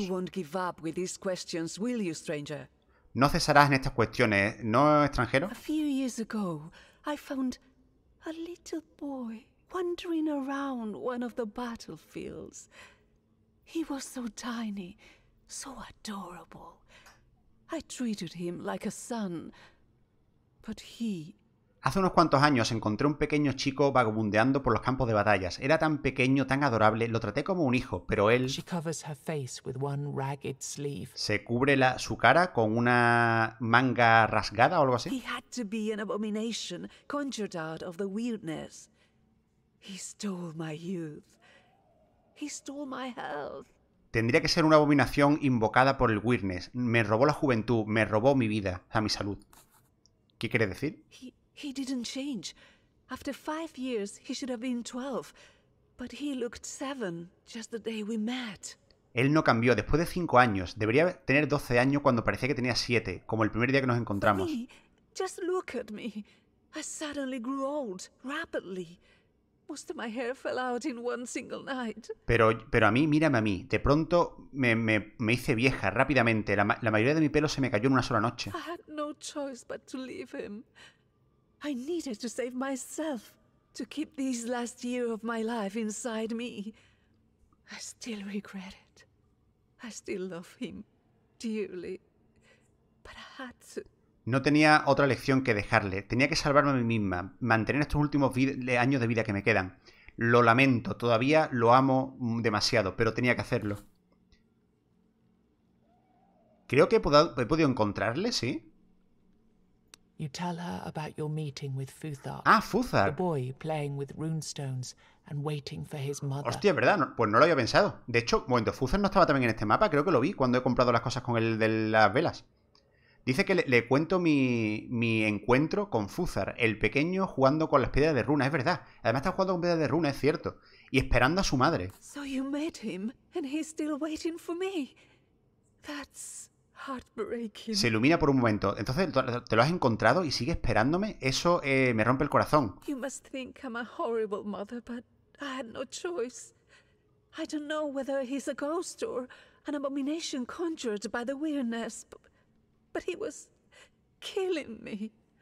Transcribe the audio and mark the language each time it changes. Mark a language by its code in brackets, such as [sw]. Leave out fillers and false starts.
[en] You won't give up with these questions, will you, stranger? [es] No cesarás en estas cuestiones, ¿no, extranjero? [en] A few years ago, I found a little boy wandering around one of the battlefields. He was so tiny, so adorable. I treated him like a son, but he... [es] Hace unos cuantos años encontré un pequeño chico vagabundeando por los campos de batallas. Era tan pequeño, tan adorable, lo traté como un hijo, pero él... [en] She covers her face with one ragged sleeve. [es] Se cubre su cara con una manga rasgada o algo así. [en] He had to be an abomination conjured out of the wilderness. He stole my youth. He stole my health. [es] Tendría que ser una abominación invocada por el wilderness. Me robó la juventud, me robó mi vida, a mi salud. ¿Qué quiere decir? [en] He didn't change. After 5 years, he should have been 12, but he looked 7 just the day we met. [es] Él no cambió. Después de 5 años, debería tener 12 años cuando parecía que tenía 7, como el primer día que nos encontramos. [en] Me, just look at me. I suddenly grew old rapidly. Most of my hair fell out in one single night. [es] Pero a mí, mírame a mí. De pronto me hice vieja rápidamente. La mayoría de mi pelo se me cayó en una sola noche. [en] I had no choice but to leave him. I needed to save myself, to keep these last year of my life inside me. I still regret it. I still love him dearly, but I had to. [es] No tenía otra elección que dejarle. Tenía que salvarme a mí misma, mantener estos últimos años de vida que me quedan. Lo lamento, todavía lo amo demasiado, pero tenía que hacerlo. Creo que he podido encontrarle, sí. [en] You tell her about your meeting with Futhark. Ah, Futhark. The boy playing with runestones and waiting for his mother. [es] Hostia, ¿verdad? No, pues no lo había pensado. De hecho, bueno, Futhark no estaba también en este mapa. Creo que lo vi cuando he comprado las cosas con el de las velas. Dice que le cuento mi encuentro con Futhark, el pequeño jugando con las piedras de runa. Es verdad. Además está jugando con piedras de runa, es cierto. Y esperando a su madre. [en] So you met him and he's still waiting for me. That's... [es] Se ilumina por un momento. Entonces, ¿te lo has encontrado y sigue esperándome? Eso me rompe el corazón. [en] You must think I'm a horrible mother, but I had no choice. I don't know whether he's a ghost or an abomination conjured by the weirdness, but he was killing me.